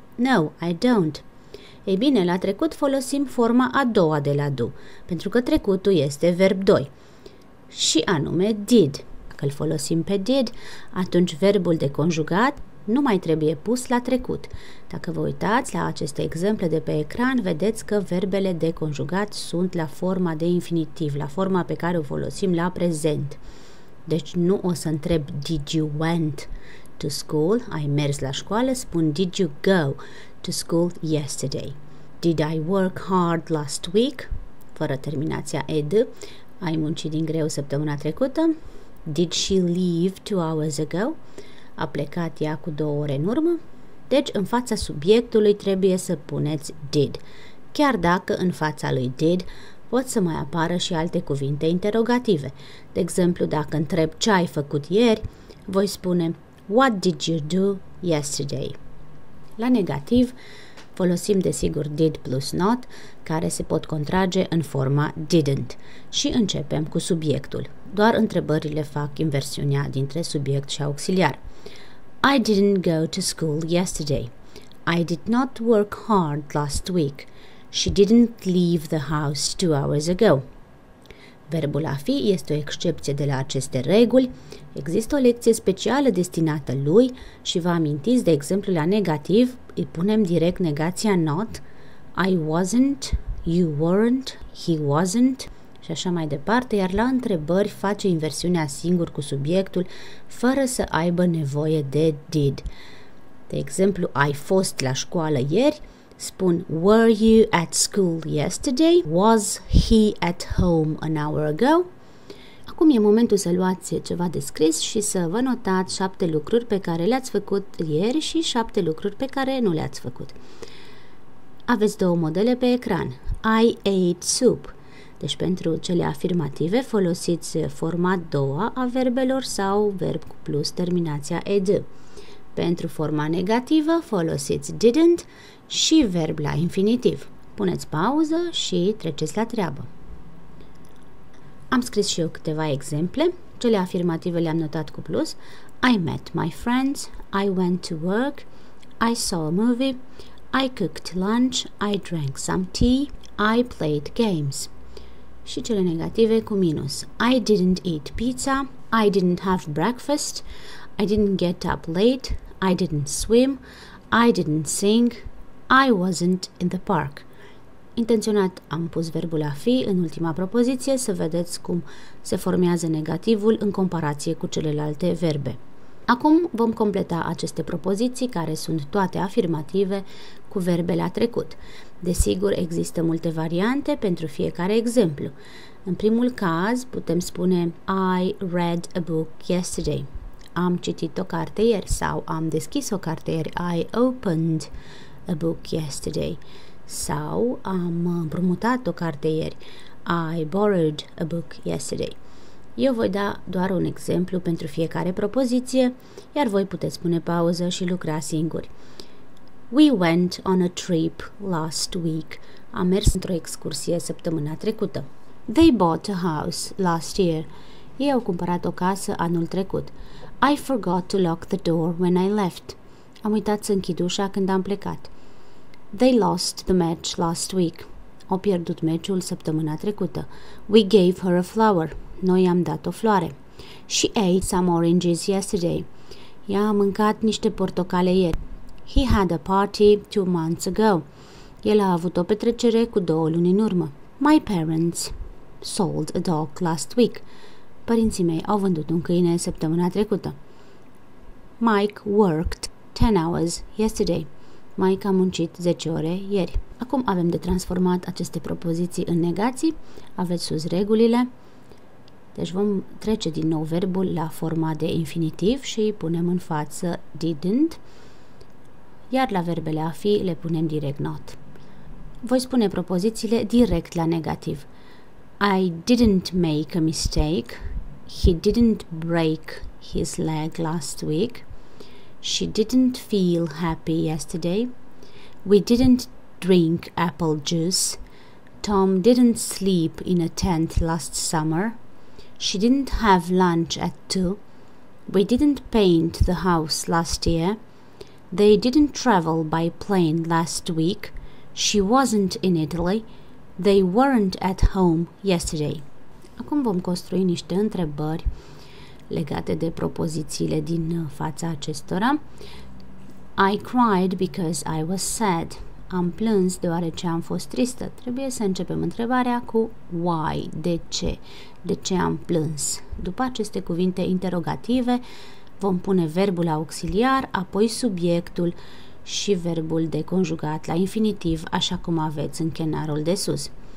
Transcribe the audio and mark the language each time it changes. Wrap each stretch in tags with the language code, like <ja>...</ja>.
<en>No, I don't.</en> <ro>Ei bine, la trecut folosim forma a doua de la do, pentru că trecutul este verb 2, și anume did. Dacă îl folosim pe did, atunci verbul de conjugat nu mai trebuie pus la trecut. Dacă vă uitați la aceste exemple de pe ecran, vedeți că verbele de conjugat sunt la forma de infinitiv, la forma pe care o folosim la prezent. Deci nu o să întreb</ro> <en>did you went to school,</en> <ro>ai mers la școală, spun</ro> <en>did you go to school yesterday. Did I work hard last week?</en> <ro>Fără terminația ed, ai muncit din greu săptămâna trecută?</ro> <en>Did she leave 2 hours ago?</en> <ro>A plecat ea cu 2 ore în urmă? Deci, în fața subiectului trebuie să puneți did, chiar dacă în fața lui did pot să mai apară și alte cuvinte interrogative. De exemplu, dacă întreb ce ai făcut ieri, voi spune</ro> <en>what did you do yesterday?</en> <ro>La negativ, folosim desigur did plus not, care se pot contrage în forma didn't, și începem cu subiectul. Doar întrebările fac inversiunea dintre subiect și auxiliar.</ro> <en>I didn't go to school yesterday. I did not work hard last week. She didn't leave the house 2 hours ago.</en> <ro>Verbul a fi este o excepție de la aceste reguli. Există o lecție specială destinată lui și vă amintiți, de exemplu, la negativ, îi punem direct negația not,</ro> <en>I wasn't, you weren't, he wasn't</en> <ro>și așa mai departe, iar la întrebări face inversiunea singur cu subiectul, fără să aibă nevoie de did. De exemplu, ai fost la școală ieri, spun</ro> <en>were you at school yesterday? Was he at home an hour ago?</en> <ro>Acum e momentul să luați ceva de scris și să vă notați 7 lucruri pe care le-ați făcut ieri și 7 lucruri pe care nu le-ați făcut. Aveți 2 modele pe ecran.</ro> <en>I ate soup.</en> <ro>Deci pentru cele afirmative folosiți forma a doua a verbelor sau verb cu plus terminația ed. Pentru forma negativă folosiți didn't și verb la infinitiv. Puneți pauză și treceți la treabă. Am scris și eu câteva exemple. Cele afirmative le-am notat cu plus.</ro> <en>I met my friends, I went to work, I saw a movie, I cooked lunch, I drank some tea, I played games.</en> <ro>Și cele negative cu minus.</ro> <en>I didn't eat pizza, I didn't have breakfast, I didn't get up late, I didn't swim, I didn't sing, I wasn't in the park.</en> <ro>Intenționat am pus verbul a fi în ultima propoziție, să vedeți cum se formează negativul în comparație cu celelalte verbe. Acum vom completa aceste propoziții, care sunt toate afirmative, cu verbe la trecut. Desigur, există multe variante pentru fiecare exemplu. În primul caz, putem spune</ro> <en>I read a book yesterday.</en> <ro>Am citit o carte ieri sau am deschis o carte ieri.</ro> <en>I opened a book yesterday.</en> <ro>Sau am împrumutat o carte ieri.</ro> <en>I borrowed a book yesterday.</en> <ro>Eu voi da doar un exemplu pentru fiecare propoziție, iar voi puteți pune pauză și lucra singuri.</ro> <en>We went on a trip last week.</en> <ro>Am mers într-o excursie săptămâna trecută.</ro> <en>They bought a house last year.</en> <ro>Ei au cumpărat o casă anul trecut.</ro> <en>I forgot to lock the door when I left.</en> <ro>Am uitat să închid ușa când am plecat.</ro> <en>They lost the match last week.</en> <ro>Au pierdut meciul săptămâna trecută.</ro> <en>We gave her a flower.</en> <ro>Noi i-am dat o floare.</ro> <en>She ate some oranges yesterday.</en> <ro>Ea a mâncat niște portocale ieri.</ro> <en>He had a party 2 months ago.</en> <ro>El a avut o petrecere cu 2 luni în urmă.</ro> <en>My parents sold a dog last week.</en> <ro>Părinții mei au vândut un câine săptămâna trecută.</ro> <en>Mike worked 10 hours yesterday.</en> <ro>Mike a muncit 10 ore ieri. Acum avem de transformat aceste propoziții în negații. Aveți sus regulile. Deci vom trece din nou verbul la forma de infinitiv și îi punem în față didn't, iar la verbele a fi le punem direct not. Voi spune propozițiile direct la negativ.</ro> <en>I didn't make a mistake. He didn't break his leg last week. She didn't feel happy yesterday. We didn't drink apple juice. Tom didn't sleep in a tent last summer. She didn't have lunch at 2. We didn't paint the house last year. They didn't travel by plane last week. She wasn't in Italy. They weren't at home yesterday.</en> <ro>Acum vom construi niște întrebări legate de propozițiile din fața acestora.</ro> <en>I cried because I was sad.</en> <ro>Am plâns deoarece am fost tristă. Trebuie să începem întrebarea cu why, de ce, de ce am plâns. După aceste cuvinte interrogative, vom pune verbul auxiliar, apoi subiectul și verbul de conjugat la infinitiv, așa cum aveți în chenarul de sus.</ro>